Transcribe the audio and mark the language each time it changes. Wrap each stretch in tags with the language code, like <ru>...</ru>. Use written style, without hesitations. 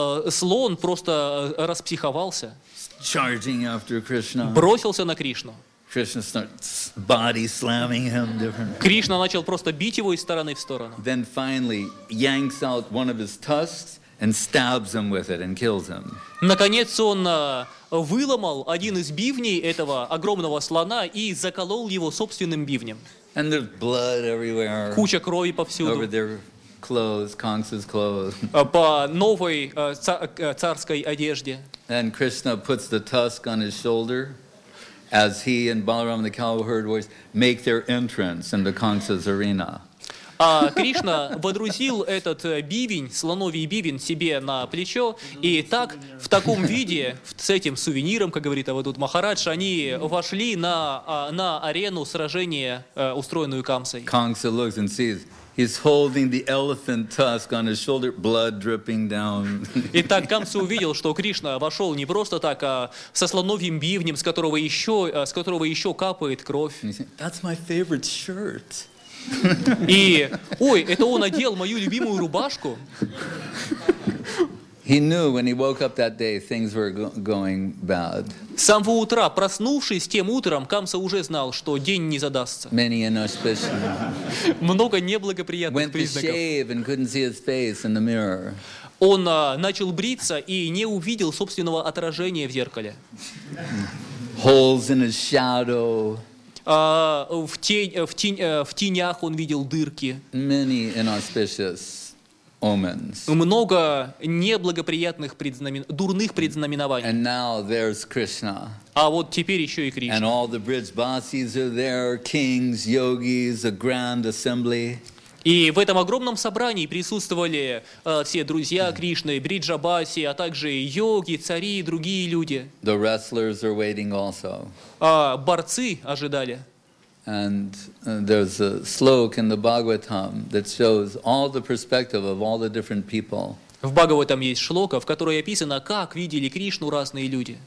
<ru>Слон просто распсиховался.</ru> <en>Charging after Krishna.</en> <ru>Бросился на Кришну.</ru> <en>Krishna starts body slamming him different.</en> <ru>Кришна начал просто бить его из стороны в сторону.</ru> <en>Then finally yanks out one of his tusks and stabs him with it and kills him.</en> <ru>Наконец он выломал один из бивней этого огромного слона и заколол его собственным бивнем.</ru> <en>And there's blood everywhere.</en> <ru>Куча крови повсюду.</ru> <en>Over their clothes, Kamsa's clothes.</en> <ru>По новой царской одежде.</ru> <en>And Krishna puts the tusk on his shoulder as he and Balaram the cowherd boys make their entrance into Kamsa's arena.</en> <ru>А Кришна водрузил этот бивень, слоновий бивень, себе на плечо, и так, в таком виде, с этим сувениром, как говорит Авадут Махарадж, они вошли на арену сражения, устроенную Камсой.</ru> <en>Kamsa looks and sees, he's holding the elephant tusk on his shoulder, blood dripping down.</en> <ru>И так Камса увидел, что Кришна вошел не просто так, а со слоновьим бивнем, с которого еще капает кровь.</ru> <en>And he said, that's my favorite shirt.</en> <ru>И, ой, это он одел мою любимую рубашку.</ru> <en>He knew when he woke up that day things were going bad.</en> <ru>С самого утра, проснувшись тем утром, Камса уже знал, что день не задастся.</ru> <en>Many inauspicious.</en> <ru>Много неблагоприятных признаков.</ru> <en>Went to shave and couldn't see his face in the mirror.</en> <ru>он начал бриться и не увидел собственного отражения в зеркале.</ru> <en>Holes in his shadow.</en> <ru>В тенях он видел дырки.</ru> <en>Many inauspicious omens.</en> <ru>Много неблагоприятных дурных предзнаменований.</ru> <en>And now there's Krishna.</en> <ru>А вот теперь еще и Кришна.</ru> <en>And all the Brijbasis are there, kings, yogis, a grand assembly.</en> <ru>И в этом огромном собрании присутствовали все друзья Кришны, Бриджабаси, а также йоги, цари и другие люди.</ru> <en>The wrestlers are waiting also.</en> <ru>Борцы ожидали.</ru> <en>And there's a slok in the Bhagavatam that shows all the perspective of all the different people.</en> <ru>В Бхагаватам есть шлока, в которой описано, как видели Кришну разные люди.</ru>